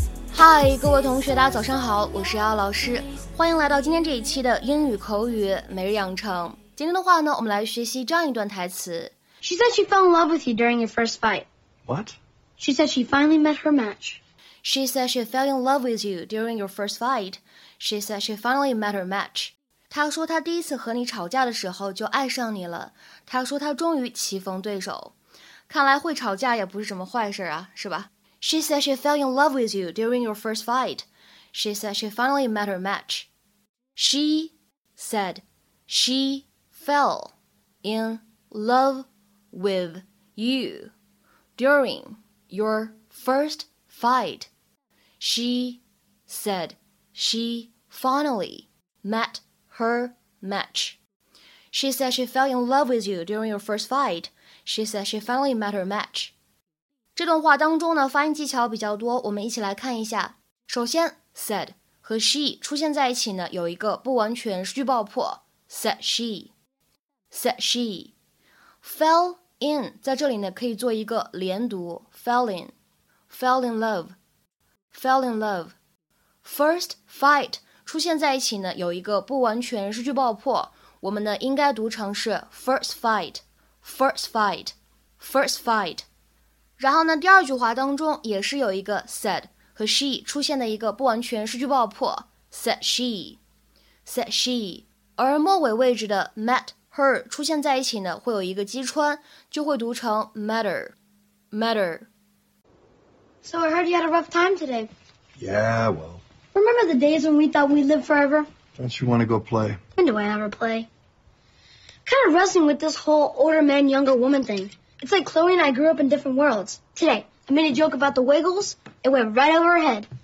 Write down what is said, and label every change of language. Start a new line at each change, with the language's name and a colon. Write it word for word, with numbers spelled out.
Chinese: 嗨，各位同学，大家早上好，我是姚老师，欢迎来到今天这一期的英语口语每日养成。今天的话呢，我们来学习这样一段台词。
English: She said she fell in love with you during your first fight. What? She said she finally met her match. She said she fell in love with you during your first fight. She said she finally met her match.
Chinese: 她说她第一次和你吵架的时候就爱上你了。她说她终于棋逢对手。看来会吵架也不是什么坏事啊，是吧？
English: She said she fell in love with you during your first fight. She said she finally met her match. She said she fell in love with you during your first fight. She said she finally met her match. She said she fell in love with you during your first fight. She said she finally met her match.
Chinese: 这段话当中呢，发音技巧比较多，我们一起来看一下。首先 said 和 she 出现在一起呢，有一个不完全失去爆破
English: said she said she fell in
Chinese: 在这里呢可以做一个连读
English: fell in fell in love fell in love first fight
Chinese: 出现在一起呢，有一个不完全失去爆破，我们呢应该读成是
English: first fight first fight first fight
Chinese: 然后呢，第二句话当中也是有一个 said 和 she 出现的一个不完全失去爆破
English: said she said she
Chinese: 而末尾位置的 met her 出现在一起呢，会有一个击穿，就会读成
English: met her met her So I heard you had a rough time today. Yeah, well. Remember the days when we thought we'd live forever? Don't you want to go play? When do I ever play? Kind of wrestling with this whole older man, younger woman thing. It's like Chloe and I grew up in different worlds. Today, I made a joke about the Wiggles. It went right over her head.